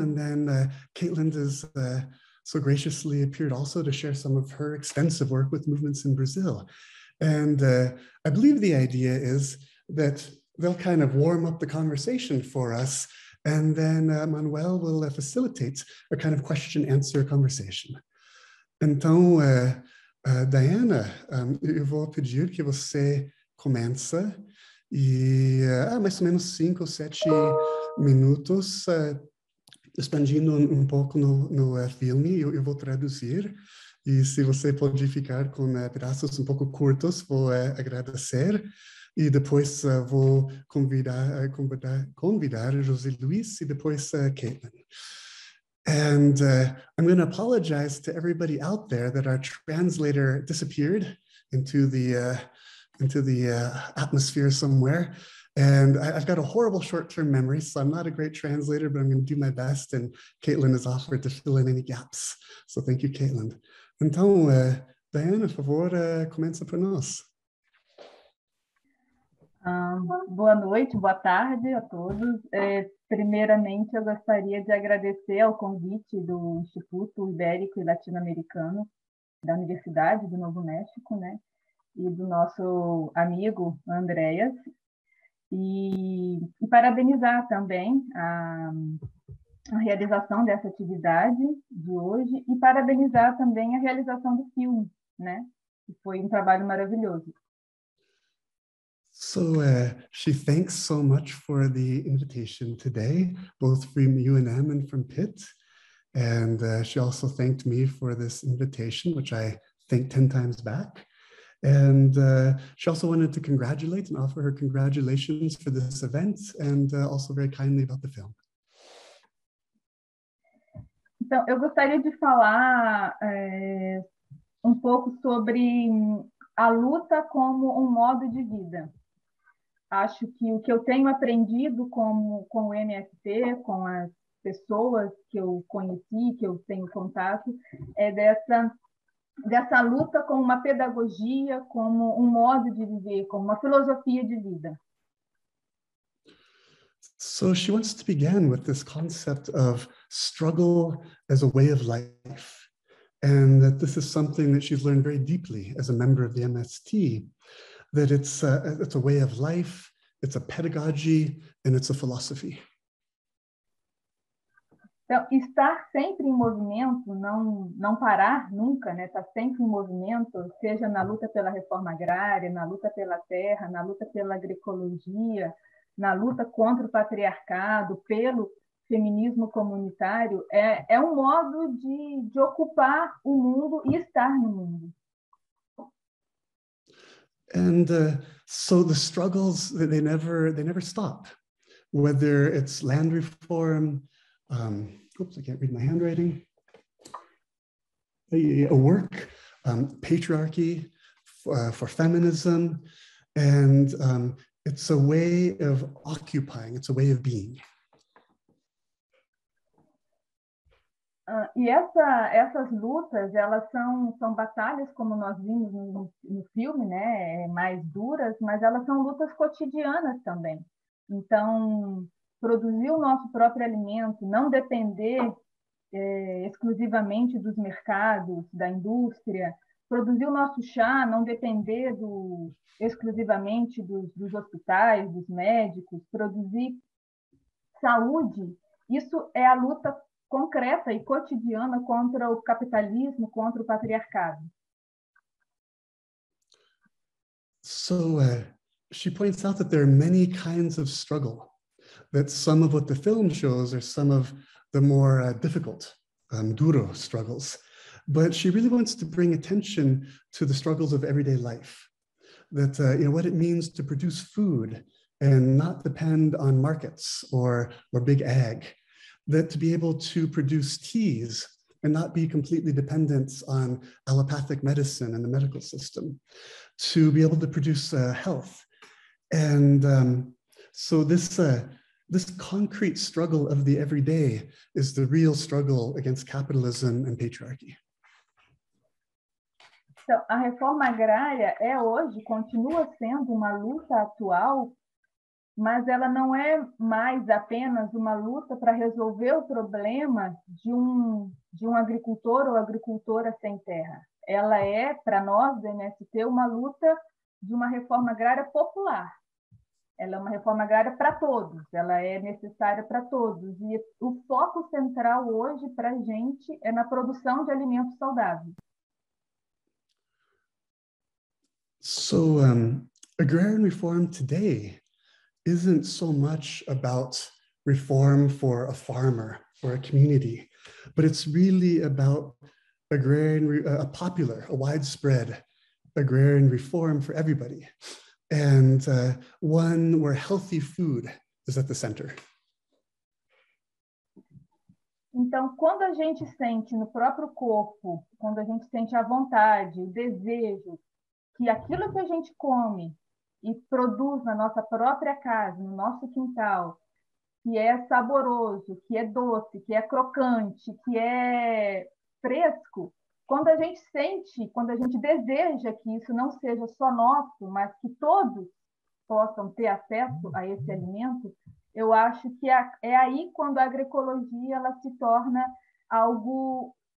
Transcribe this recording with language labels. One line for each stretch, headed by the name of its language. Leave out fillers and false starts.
English: And then Caitlin has so graciously appeared also to share some of her extensive work with movements in Brazil. And I believe the idea is that they'll kind of warm up the conversation for us. And then Manuel will facilitate a kind of question answer conversation.
Portuguese: Então, Diana, eu vou pedir que você comece e mais ou menos 5 ou 7 minutos, expandindo um pouco no filme, eu vou traduzir. E se você pode ficar com pedaços um pouco curtos, vou agradecer. E depois vou convidar José Luis e depois Caitlin.
English: And I'm going to apologize to everybody out there that our translator disappeared into the atmosphere somewhere. And I've got a horrible short-term memory, so I'm not a great translator, but I'm going to do my best. And Caitlin has offered to fill in any gaps. So thank you, Caitlin.
Portuguese: Então, Diana, por favor, comece para nós. Boa noite, boa tarde a todos. Primeiramente, eu gostaria de agradecer ao convite do Instituto Ibérico e Latino-Americano da Universidade do Novo México, né? E do nosso amigo Andréas. E parabenizar também a realização dessa atividade de hoje e parabenizar também a realização do filme, né? Que foi um trabalho maravilhoso.
English: So she thanks so much for the invitation today, both from UNM and from Pitt. And she also thanked me for this invitation, which I thanked 10 times back. And she also wanted to congratulate and offer her congratulations for this event and also very kindly about the film.
Portuguese: Então, eu gostaria de falar um pouco sobre a luta como modo de vida. Acho que o que eu tenho aprendido com o MST, com as pessoas que eu conheci, que eu tenho contato, é dessa luta como uma pedagogia, como modo de viver, como uma filosofia de vida.
English: So she wants to begin with this concept of struggle as a way of life, and that this is something that she's learned very deeply as a member of the MST, that it's a way of life, it's a pedagogy, and it's a philosophy.
Portuguese: Então, estar sempre em movimento, não parar nunca, né? Estar sempre em movimento, seja na luta pela reforma agrária, na luta pela terra, na luta pela agroecologia, na luta contra o patriarcado, pelo feminismo comunitário, é um modo de ocupar o mundo e estar no mundo.
English: And so the struggles, they never stop. Whether it's land reform, oops, I can't read my handwriting, a work, patriarchy for feminism, and it's a way of occupying, it's a way of being.
Portuguese: E essas lutas, elas são batalhas, como nós vimos no filme, né? Mais duras, mas elas são lutas cotidianas também. Então, produzir o nosso próprio alimento, não depender exclusivamente dos mercados, da indústria, produzir o nosso chá, não depender exclusivamente dos hospitais, dos médicos, produzir saúde, isso é a luta concreta e cotidiana contra o capitalismo, contra o patriarcado.
English: So, she points out that there are many kinds of struggle, that some of what the film shows are some of the more difficult, duro struggles. But she really wants to bring attention to the struggles of everyday life, that you know, what it means to produce food and not depend on markets or big ag. That to be able to produce teas and not be completely dependent on allopathic medicine and the medical system, to be able to produce health. And so this This concrete struggle of the everyday is the real struggle against capitalism and patriarchy.
Portuguese: Então, a reforma agrária é hoje, continua sendo uma luta atual, mas ela não é mais apenas uma luta para resolver o problema de um agricultor ou agricultora sem terra. Ela é, para nós, do MST, uma luta de uma reforma agrária popular. Ela é uma reforma agrária para todos, ela é necessária para todos. E o foco central hoje para a gente é na produção de alimentos saudáveis.
English: So, agrarian reform today isn't so much about reform for a farmer or a community, but it's really about a widespread agrarian reform for everybody, and one where healthy food is at the center.
Portuguese: Então, quando a gente sente no próprio corpo, quando a gente sente a vontade, o desejo, que aquilo que a gente come e produz na nossa própria casa, no nosso quintal, que é saboroso, que é doce, que é crocante, que é fresco, quando a gente sente, quando a gente deseja que isso não seja só nosso, mas que todos possam ter acesso a esse alimento, eu acho que é aí quando a agroecologia ela se torna algo...